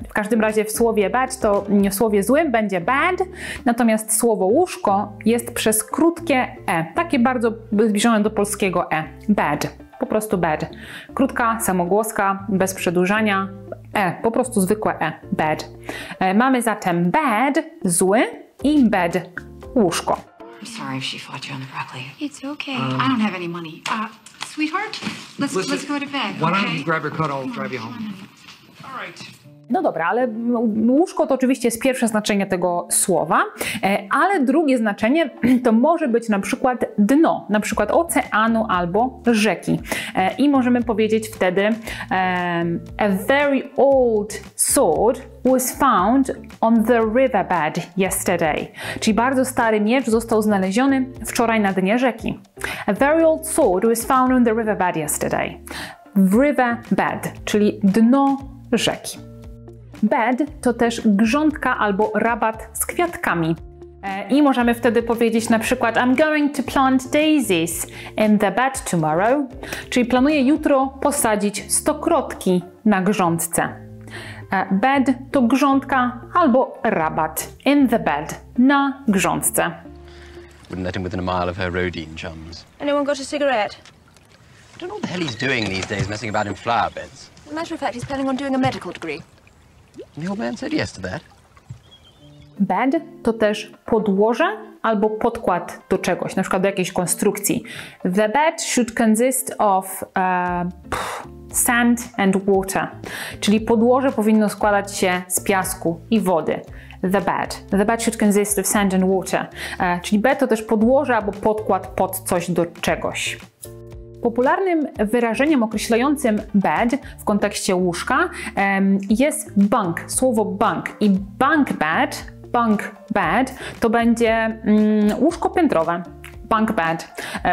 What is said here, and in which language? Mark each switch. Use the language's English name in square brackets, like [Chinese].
[Polish] W każdym razie w słowie bad, to w słowie złym będzie bad, natomiast słowo łóżko jest przez krótkie e, takie bardzo zbliżone do polskiego e, bad, po prostu bad. Krótka samogłoska, bez przedłużania, e, po prostu zwykłe e, bad. Mamy zatem bad, zły, i bad, łóżko. [English] I'm sorry if she fought you on the broccoli. It's okay. I don't have any money. Sweetheart, let's go to bed. Why don't you grab your coat? I'll drive you home. All right. [Polish] No dobra, ale łóżko to oczywiście jest pierwsze znaczenie tego słowa, ale drugie znaczenie to może być na przykład dno, na przykład oceanu albo rzeki. I możemy powiedzieć wtedy [English] a very old sword was found on the riverbed yesterday. [Polish] Czyli bardzo stary miecz został znaleziony wczoraj na dnie rzeki. [English] A very old sword was found on the riverbed yesterday. [Polish] Riverbed, czyli dno rzeki. Bed to też grządka albo rabat z kwiatkami. I możemy wtedy powiedzieć na przykład [English] I'm going to plant daisies in the bed tomorrow. [Polish] Czyli planuję jutro posadzić stokrotki na grządce. Bed to grządka albo rabat. [English] In the bed. [Polish] Na grządce. [English] Wouldn't let him within a mile of her Rodine chums. Anyone got a cigarette? I don't know what the hell he's doing these days messing about in flower beds. As a matter of fact, he's planning on doing a medical degree. The old man said yes to that. [Polish] Bed to też podłoże albo podkład do czegoś, na przykład do jakiejś konstrukcji. [English] The bed should consist of sand and water. [Polish] Czyli podłoże powinno składać się z piasku i wody. [English] The bed. The bed should consist of sand and water. [Polish] Czyli bed to też podłoże albo podkład pod coś do czegoś. Popularnym wyrażeniem określającym bed w kontekście łóżka jest bunk, słowo bunk. I bunk bed to będzie łóżko piętrowe, bunk bed.